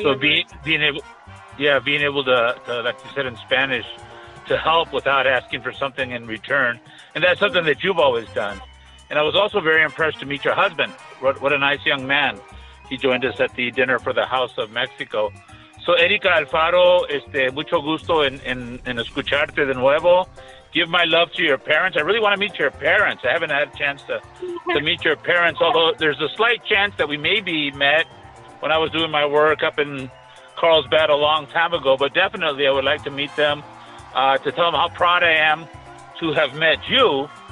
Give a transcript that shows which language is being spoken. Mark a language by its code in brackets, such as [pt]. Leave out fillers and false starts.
[en] your being able to, like you said in Spanish, to help without asking for something in return. And that's something that you've always done. And I was also very impressed to meet your husband. What a nice young man. He joined us at the dinner for the House of Mexico. [es] So, Erika Alfaro, mucho gusto en escucharte de nuevo. [en] Give my love to your parents. I really want to meet your parents. I haven't had a chance to meet your parents, although there's a slight chance that we may be met when I was doing my work up in Carlsbad a long time ago. But definitely, I would like to meet them to tell them how proud I am to have met you.